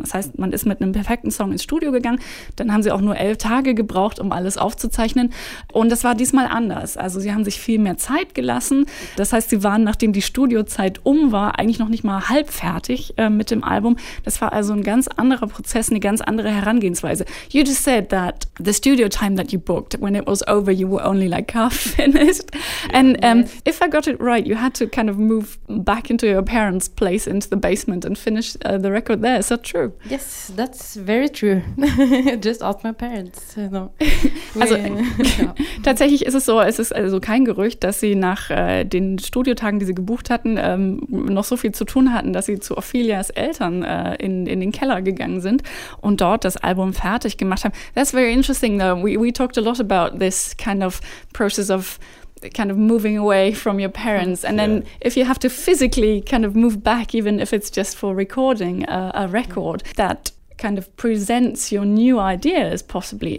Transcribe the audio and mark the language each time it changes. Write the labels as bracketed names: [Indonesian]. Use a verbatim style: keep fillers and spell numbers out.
[German] Das heißt, man ist mit einem perfekten Song ins Studio gegangen, dann haben sie auch nur elf Tage gebraucht, um alles aufzuzeichnen. Und das war diesmal anders. Also sie haben sich viel mehr Zeit gelassen. Das heißt, sie waren, nachdem die Studiozeit um war, eigentlich noch nicht mal halb fertig äh, mit dem Album. Das war also ein ganz anderer Prozess, eine ganz andere Herangehensweise. [English] You just said that the studio time that you booked, when it was over, you were only like half finished. Yeah. And um, yes. if I got it right, you had to kind of move back into your parents' place, into the basement, and finish uh, the record there. Is that true? Yes, that's very true. Just ask my parents. You know. [German] Also äh, ja. Tatsächlich ist es so, es ist also kein Gerücht, dass sie nach äh, den Studiotagen, die sie gebucht hatten, ähm, noch so viel zu tun hatten, dass sie zu Ophelias Eltern äh, in, in den Keller gegangen sind und dort das Album fertig gemacht haben. [English] That's very interesting. Thing though, we we talked a lot about this kind of process of kind of moving away from your parents, and then yeah. if you have to physically kind of move back, even if it's just for recording a, a record, that kind of presents your new ideas possibly.